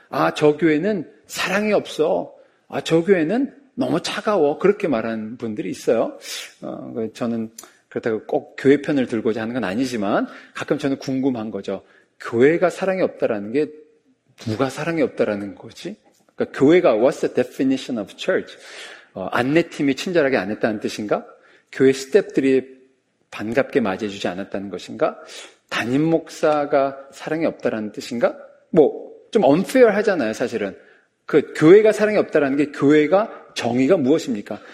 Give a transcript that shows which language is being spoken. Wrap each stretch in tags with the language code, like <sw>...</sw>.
<ko>아, 저 교회는 사랑이 없어. 아, 저 교회는 너무 차가워. 그렇게 말하는 분들이 있어요. 저는 그렇다고 꼭 교회 편을 들고자 하는 건 아니지만 가끔 저는 궁금한 거죠. 교회가 사랑이 없다라는 게 누가 사랑이 없다라는 거지? 그러니까 교회가</ko> <en>What's the definition of church?</en> <ko>안내팀이 친절하게 안 했다는 뜻인가? 교회 스태프들이 반갑게 맞이해주지 않았다는 것인가? 담임 목사가 사랑이 없다라는 뜻인가? 뭐 좀 unfair 하잖아요 사실은. 그 교회가 사랑이 없다라는 게 교회가 정의가 무엇입니까?</ko>